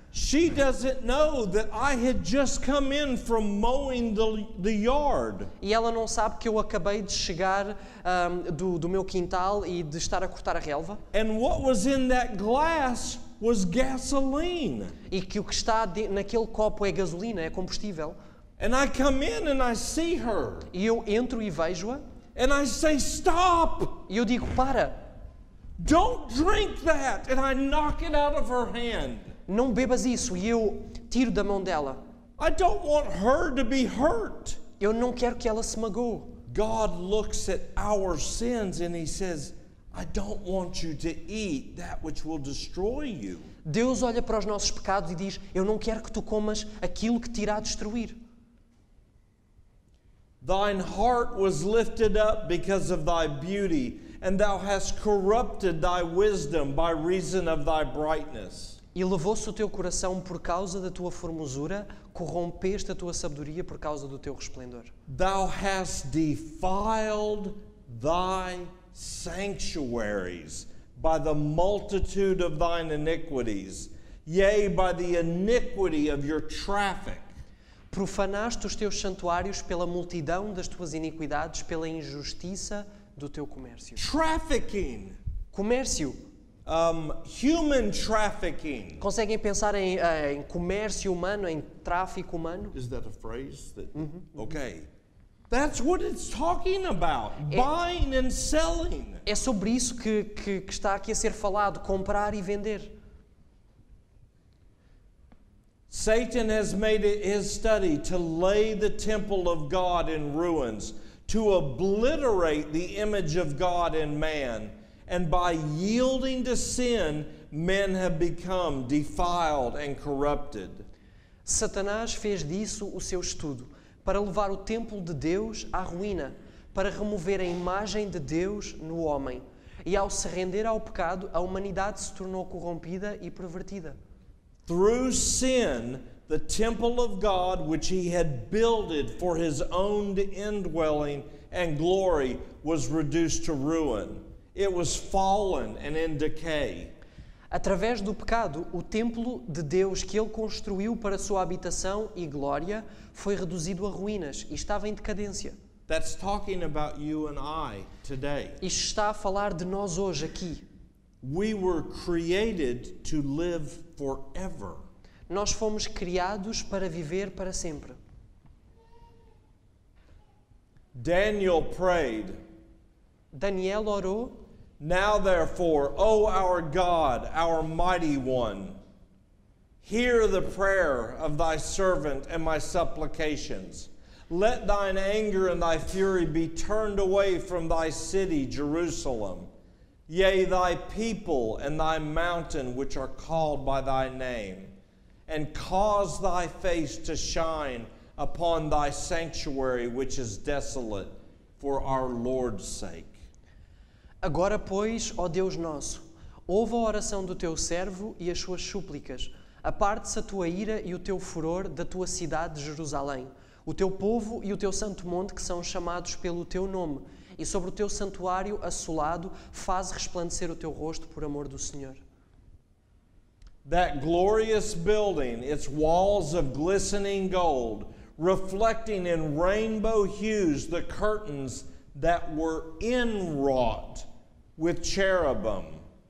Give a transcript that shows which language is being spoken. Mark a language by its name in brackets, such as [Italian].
[English] She doesn't know that I had just come in from mowing the yard. [Portuguese] E ela não sabe que eu acabei de chegar do meu quintal e de estar a cortar a relva. [English] And what was in that glass was gasoline. [Portuguese] E que o que está naquele copo é gasolina, é combustível. [English] And I come in and I see her. [Portuguese] E eu entro e vejo-a. [English] And I say, stop. [Portuguese] E eu digo, para. [English] Don't drink that. And I knock it out of her hand. [Portuguese] Não bebas isso, e eu tiro da mão dela. [English] I don't want her to be hurt. [Portuguese] Eu não quero que ela se magoe. [English] God looks at our sins and he says, I don't want you to eat that which will destroy you. [Portuguese] Deus olha para os nossos pecados e diz, eu não quero que tu comas aquilo que te irá destruir. [English] Thine heart was lifted up because of thy beauty, and thou hast corrupted thy wisdom by reason of thy brightness. [Portuguese] E levou-se o teu coração por causa da tua formosura, corrompeste a tua sabedoria por causa do teu resplendor. [English] Thou hast defiled thy sanctuaries by the multitude of thine iniquities, yea, by the iniquity of your traffic. [Portuguese] Profanaste os teus santuários pela multidão das tuas iniquidades, pela injustiça do teu comércio. [English] Trafficking. [Portuguese] Comércio. [English] Human trafficking. [Portuguese] Conseguem pensar em comércio humano, em tráfico humano? [English] Is that a phrase? Okay. That's what it's talking about. Buying and selling. [Portuguese] É sobre isso que está aqui a ser falado, comprar e vender. [English] Satan has made it his study to lay the temple of God in ruins, to obliterate the image of God in man. And by yielding to sin, men have become defiled and corrupted. [Portuguese] Satanás fez disso o seu estudo, para levar o templo de Deus à ruína, para remover a imagem de Deus no homem. E ao se render ao pecado, a humanidade se tornou corrompida e pervertida. [English] Through sin, the temple of God, which he had builded for his own indwelling and glory, was reduced to ruin. It was fallen and in decay. [Portuguese] Através do pecado, o templo de Deus que ele construiu para sua habitação e glória foi reduzido a ruínas e estava em decadência. [English] That's talking about you and I today. [Portuguese] Isto está a falar de nós hoje aqui. [English] We were created to live forever. [Portuguese] Nós fomos criados para viver para sempre. [English] Daniel prayed. [Portuguese] Daniel orou. [English] Now therefore, O our God, our mighty one, hear the prayer of thy servant and my supplications. Let thine anger and thy fury be turned away from thy city, Jerusalem, yea, thy people and thy mountain which are called by thy name, and cause thy face to shine upon thy sanctuary which is desolate for our Lord's sake. [Portuguese] Agora, pois, ó Deus nosso, ouve a oração do teu servo e as suas súplicas. Aparte-se a tua ira e o teu furor da tua cidade de Jerusalém, o teu povo e o teu santo monte que são chamados pelo teu nome, e sobre o teu santuário assolado faz resplandecer o teu rosto por amor do Senhor. [English] That glorious building, its walls of glistening gold, reflecting in rainbow hues the curtains that were inwrought with cherubim.